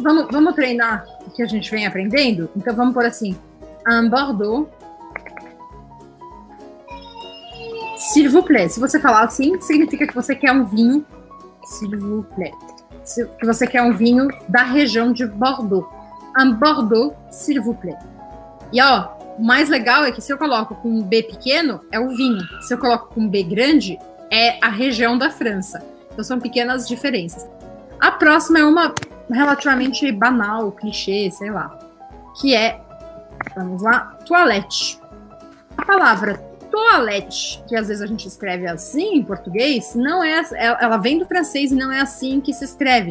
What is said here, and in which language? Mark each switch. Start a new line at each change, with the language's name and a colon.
Portuguese: Vamos treinar o que a gente vem aprendendo? Então vamos por assim.
French: Un Bordeaux. S'il vous plaît.
Portuguese: Se você falar assim, significa que você quer um vinho. S'il vous plaît. Que você quer um vinho da região de Bordeaux.
French: Un Bordeaux, s'il vous plaît.
Portuguese: E ó, o mais legal é que se eu coloco com um B pequeno, é o vinho. Se eu coloco com um B grande, é a região da França. Então são pequenas diferenças. A próxima é uma relativamente banal, clichê, sei lá. Que é. Vamos lá, toilette. A palavra toilette, que às vezes a gente escreve assim em português, não é, ela vem do francês e não é assim que se escreve.